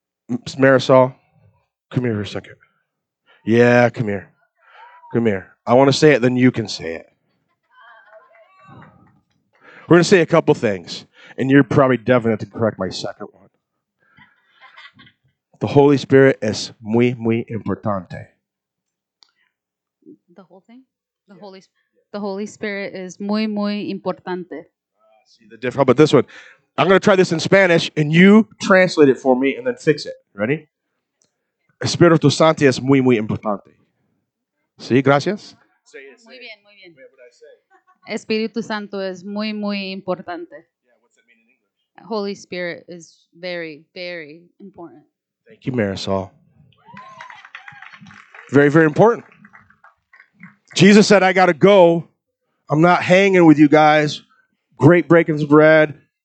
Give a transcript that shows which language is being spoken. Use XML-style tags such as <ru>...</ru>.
<en>Marisol, come here for a second. Yeah, come here. Come here. I want to say it, then you can say it. We're going to say a couple things, and you're probably definitely going to correct my second one. The Holy Spirit is</en> <es>muy, muy importante.</es> <en>The whole thing? The Holy Spirit is</en> <es>muy, muy importante.</es> <en>See the difference. How about this one? I'm going to try this in Spanish, and you translate it for me and then fix it. Ready?</en> <es>Espíritu Santo es muy, muy importante. Sí, gracias.</es> <en>Say it, say it.</en> <es>Muy bien, muy bien. Espíritu Santo es muy, muy importante.</es> <en>Yeah, what's that mean in English? Holy Spirit is very, very important. Thank you, Marisol. Very, very important. Jesus said, I got to go. I'm not hanging with you guys. Great breaking of bread.</en>